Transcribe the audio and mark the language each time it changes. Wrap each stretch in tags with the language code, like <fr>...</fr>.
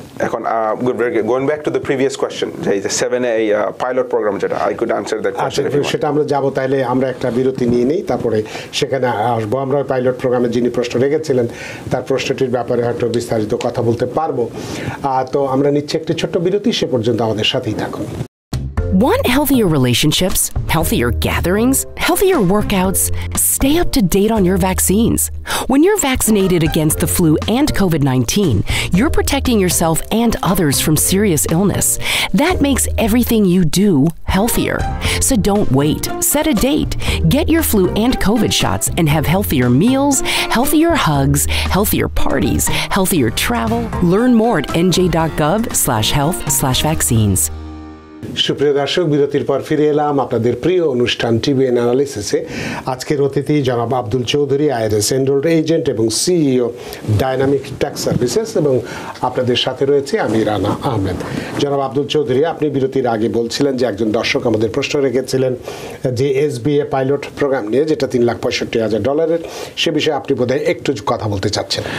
<bn>এখন</bn> <en>going back to the previous question,</en> <bn>যেই যে 7A পাইলট প্রোগ্রাম যেটা,</bn> <en>I could answer that question if you.</en> <bn>সেটা আমরা যাব, তাহলে আমরা একটা বিরতি নিয়ে নেই, তারপরে সেখানে আসবো। আমরা পাইলট প্রোগ্রামে যিনি প্রশ্ন রেখেছিলেন তার প্রশ্নটির ব্যাপারে হয়তো বিস্তারিত কথা বলতে পারবো। তো আমরা নিচ্ছি একটি ছোট্ট বিরতি, সে পর্যন্ত আমাদের সাথেই থাকুন।</bn> <en>Want healthier relationships, healthier gatherings, healthier workouts? Stay up to date on your vaccines. When you're vaccinated against the flu and COVID-19, you're protecting yourself and others from serious illness. That makes everything you do healthier. So don't wait. Set a date. Get your flu and COVID shots and have healthier meals, healthier hugs, healthier parties, healthier travel. Learn more at nj.gov/health/vaccines.</en> <bn>সুপ্রিয় দর্শক, বিরতির পর ফিরে এলাম আপনাদের প্রিয় অনুষ্ঠান TBN অ্যানালিসিসে। আজকের অতিথি জনাব Abdul Chowdhury, IRS enrolled agent এবং CEO ডাইনামিক ট্যাক্স সার্ভিসেস, এবং আপনাদের সাথে রয়েছে আমি রানা আহমেদ। জনাব আব্দুল চৌধুরী, আপনি বিরতির আগে বলছিলেন যে একজন দর্শক আমাদের প্রশ্ন রেখেছিলেন যে SBA পাইলট প্রোগ্রাম নিয়ে, যেটা $365,000, সে বিষয়ে আপনি বোধহয় একটু কথা বলতে চাচ্ছেন।</bn>